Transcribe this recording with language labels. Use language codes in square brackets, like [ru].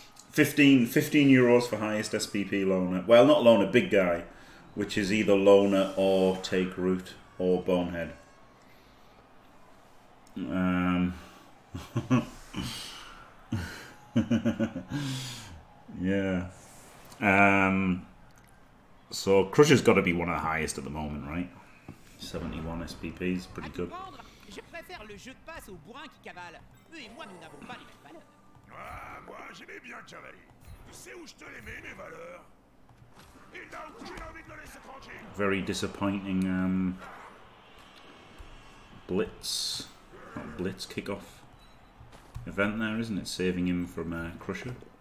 [en] 15 euros for highest SPP loner. Well, not loner, big guy, which is either loner or take root or bonehead. So, Crusher's got to be one of the highest at the moment, right? 71 SPP is pretty good. [fr] Je préfère le jeu de passe au bourrin qui cavale. Eux et moi, nous n'avons pas les mêmes valeurs. Ah, moi, j'aimais bien cavaler. Tu sais où je te les mets, mes valeurs? Et là où j'ai envie de le laisser tranquille. [en] Very disappointing, blitz. Not blitz kickoff event there, isn't it? Saving him from Crusher.